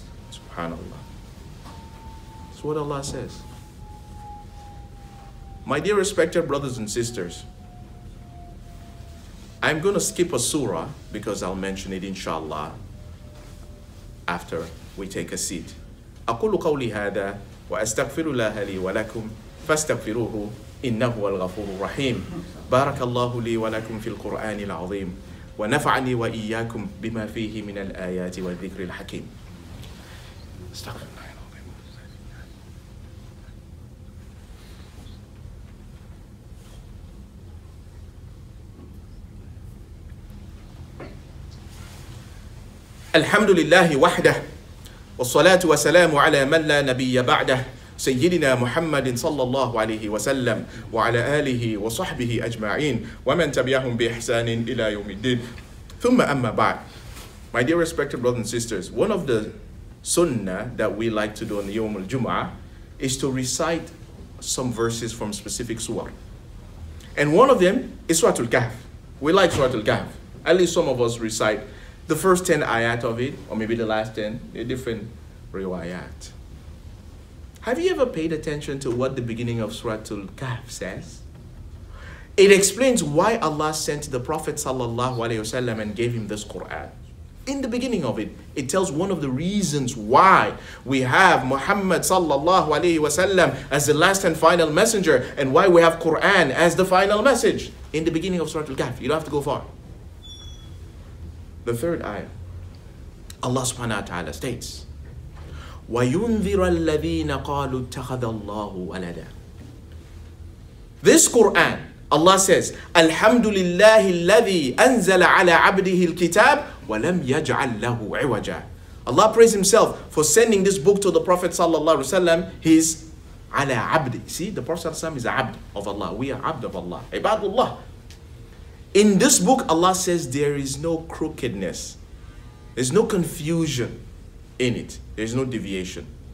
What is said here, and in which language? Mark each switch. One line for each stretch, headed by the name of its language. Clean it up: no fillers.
English: Subhanallah. That's what Allah says. My dear respected brothers and sisters, I'm going to skip a surah because I'll mention it inshallah after we take a seat.
Arabic: أقول قولي هذا وأستغفر الله لي ولكم فاستغفروه إنه الغفور الرحيم. بارك الله لي ولكم في القرآن العظيم ونفعني وإياكم بما فيه من الآيات والذكر الحكيم. استغفر الله العظيم. الحمد لله وحده والصلاة والسلام على من لا نبي بعده سيدنا محمد صلى الله عليه وسلم وعلى آله وصحبه أجمعين ومن تبعهم بإحسان إلى يوم الدين. ثم أما بعد.
English: My dear respected brothers and sisters, one of the sunnah that we like to do on Yawm al-Jum'ah is to recite some verses from specific surah. And one of them is Surah Al-Kahf. We like Surah Al-Kahf. At least some of us recite the first 10 ayat of it, or maybe the last 10, a different riwayat. Have you ever paid attention to what the beginning of Surah Al-Kahf says? It explains why Allah sent the Prophet sallallahu alayhi wasallam and gave him this Quran. In the beginning of it, it tells one of the reasons why we have Muhammad sallallahu alayhi wasallam as the last and final messenger, and why we have Quran as the final message. In the beginning of Surah Al-Kahf, you don't have to go far. The third ayah, Allah subhanahu wa ta'ala states,
Arabic: وَيُنذِرَ الَّذِينَ قَالُوا اتَّخَذَ اللَّهُ وَلَدًا.
English: This Quran, Allah says,
Arabic: الْحَمْدُ لِلَّهِ الَّذِي أَنزَلَ عَلَىٰ عَبْدِهِ الْكِتَابِ وَلَمْ يَجْعَلْ لَهُ عِوَجًا.
English: Allah praise himself for sending this book to the Prophet sallallahu alaihi wasallam. He's ala abd. See, the Prophet is abd of Allah. We are abd of Allah. Ibadullah. In this book, Allah says there is no crookedness. There's no confusion in it. There's no deviation.